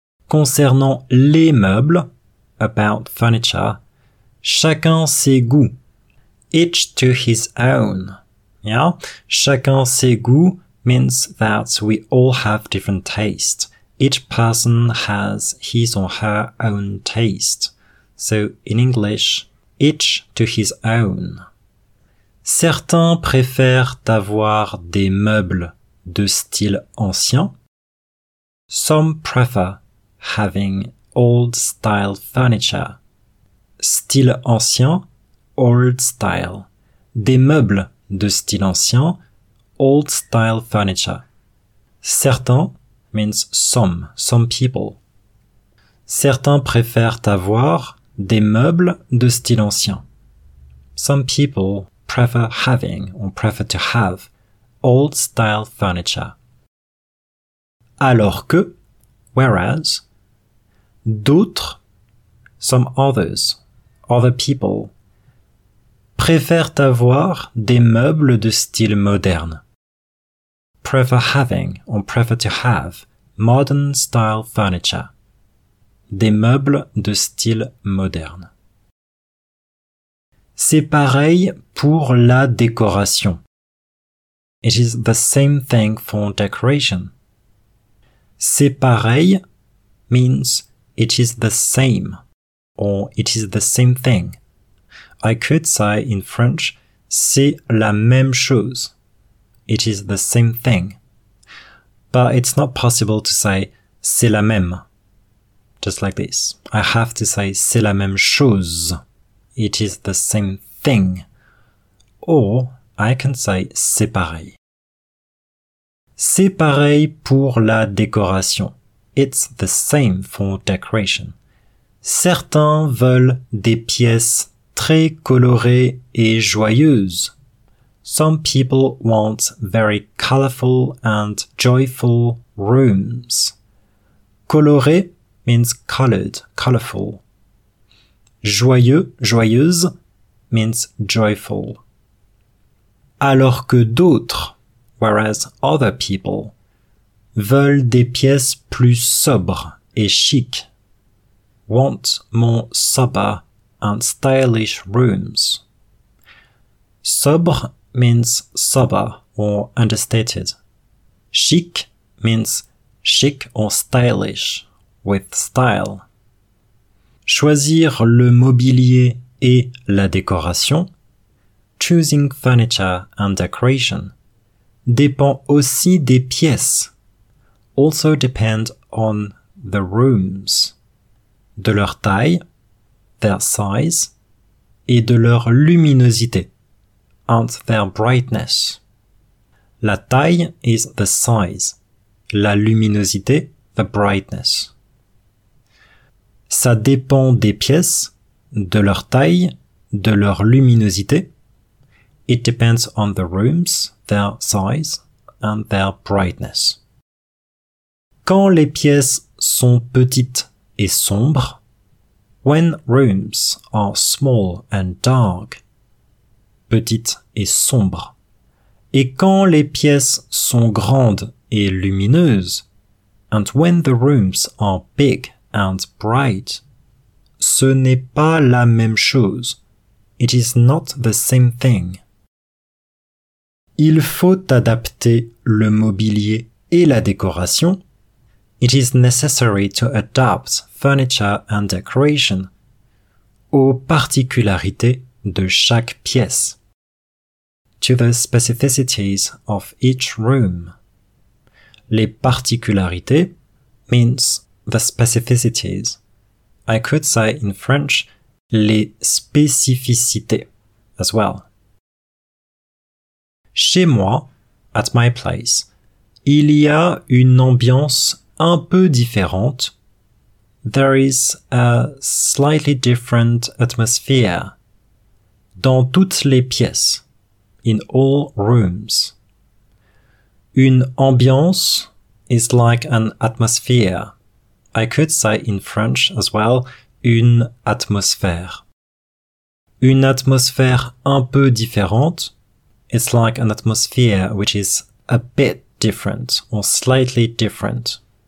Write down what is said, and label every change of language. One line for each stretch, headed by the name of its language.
French: Concernant les meubles,
English: about furniture,
French: chacun ses goûts,
English: each to his own. Yeah,
French: chacun ses goûts
English: means that we all have different tastes. Each person has his or her own taste. So in English, each to his own.
French: Certains préfèrent avoir des meubles de style ancien.
English: Some prefer having old style furniture.
French: Style ancien,
English: old style.
French: Des meubles de style ancien,
English: old style furniture. Certains means some people.
French: Certains préfèrent avoir des meubles de style ancien.
English: Some people prefer having or prefer to have old style furniture.
French: Alors que,
English: whereas,
French: d'autres,
English: some others, other people,
French: préfèrent avoir des meubles de style moderne.
English: Prefer having or prefer to have modern style furniture.
French: Des meubles de style moderne. C'est pareil pour la décoration.
English: It is the same thing for decoration.
French: C'est pareil
English: means it is the same or it is the same thing. I could say in French,
French: c'est la même chose.
English: It is the same thing. But it's not possible to say
French: c'est la même.
English: Just like this. I have to say
French: c'est la même chose.
English: It is the same thing. Or I can say
French: c'est pareil. C'est pareil pour la décoration.
English: It's the same for decoration.
French: Certains veulent des pièces très colorées et joyeuses.
English: Some people want very colorful and joyful rooms. Coloré means colored, colorful. Joyeux, joyeuse means joyful.
French: Alors que d'autres,
English: whereas other people,
French: veulent des pièces plus sobres et chic.
English: Want more sober and stylish rooms. Sobre means sober or understated. Chic means chic or stylish, with style.
French: Choisir le mobilier et la décoration,
English: choosing furniture and decoration,
French: dépend aussi des pièces,
English: also depend on the rooms,
French: de leur taille,
English: their size,
French: et de leur luminosité,
English: and their brightness. La taille is the size. La luminosité, the brightness.
French: Ça dépend des pièces, de leur taille, de leur luminosité.
English: It depends on the rooms, their size, and their brightness.
French: Quand les pièces sont petites et sombres,
English: when rooms are small and dark,
French: petites et sombres, et quand les pièces sont grandes et lumineuses,
English: and when the rooms are big and bright,
French: ce n'est pas la même chose.
English: It is not the same thing.
French: Il faut adapter le mobilier et la décoration.
English: It is necessary to adapt furniture and decoration
French: aux particularités de chaque pièce.
English: To the specificities of each room.
French: Les particularités
English: means the specificities. I could say in French, les spécificités as well.
French: Chez moi,
English: at my place,
French: il y a une ambiance un peu différente.
English: There is a slightly different atmosphere.
French: Dans toutes les pièces,
English: in all rooms.
French: Une ambiance
English: is like an atmosphere. I could say in French as well, une atmosphère.
French: Une atmosphère un peu différente,
English: It's like an atmosphere which is a bit different or slightly different.